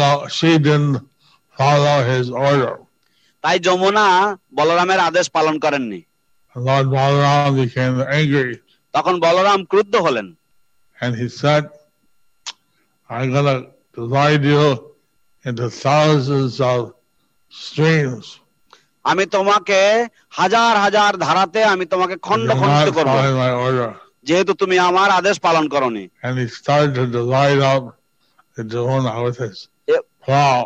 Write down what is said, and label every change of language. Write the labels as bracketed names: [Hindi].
[English] She didn't follow his order. [Bangla] তাই যমুনা বলরামের আদেশ পালন করেননি. [English] Lord Balaram became angry. [Bangla] তখন বলরাম ক্রুদ্ধ হলেন. [English] And he said, I'm gonna divide you into thousands of streams. [Bangla] আমি তোমাকে হাজার হাজার ধারাতে আমি তোমাকে খণ্ড খণ্ড করবো যেহেতু তুমি আমার আদেশ পালন করনি. [English] And he started to divide up the Jamuna with his plow.